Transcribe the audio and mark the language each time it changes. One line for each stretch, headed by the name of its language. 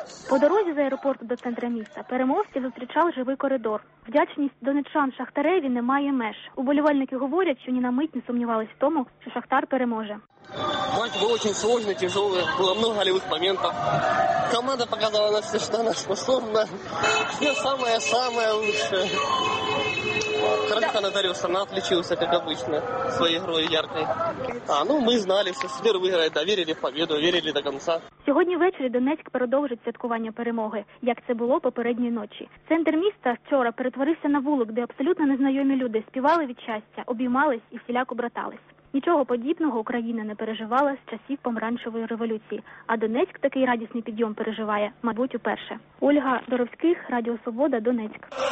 Ukrainian: По дорозі з аеропорту до центра міста переможці зустрічав живий коридор. Вдячність донеччан Шахтареві не має меж. Уболівальники говорять, що ні на мить не сумнівались в тому, що Шахтар переможе. Матч був дуже складний, тяжелий, було багато гольових моментів. Команда показала нас все, що вона способна. Все саме лучше.
Russian: Короче, Наталья сама отличилась, как обычно, своей игрой яркой. Мы знали, что Сидор выиграет, доверили в победу, верили до конца.
Ukrainian: Сьогодні ввечері Донецьк продовжить святкування перемоги, як це було попередньої ночі. Центр міста вчора перетворився на вулик, де абсолютно незнайомі люди співали від щастя, обіймались і всіляко братались. Нічого подібного Україна не переживала з часів помаранчевої революції. А Донецьк такий радісний підйом переживає, мабуть, уперше. Ольга Доровських, Радіо Свобода, Донецьк.